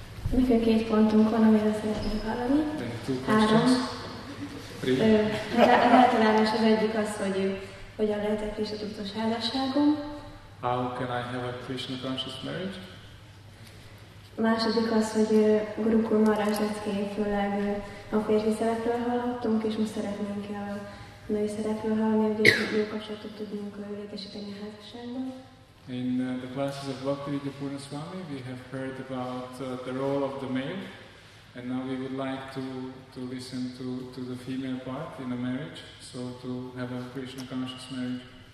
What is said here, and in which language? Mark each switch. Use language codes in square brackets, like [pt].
[hu] Nekünk két pontunk van, amivel szeretnénk hallani. Három. Az általános az egyik az, hogy hogyan lehet egy Krisna tudatos házasságom. [en] How can I have a Krishna conscious marriage? [hu] Második az, hogy Gurukul Maharaj leckéjén főleg a férfi szerepről hallottunk, és most szeretnénk a női szerepről hallani, hogy egy jó kapcsolatot tudjunk létesíteni a házasságban. [en] In the classes of Bhakti Vidya Purnaswami, we have heard about the role of the male, and now we would like to listen to the female part in a marriage, so to have a Krishna conscious marriage.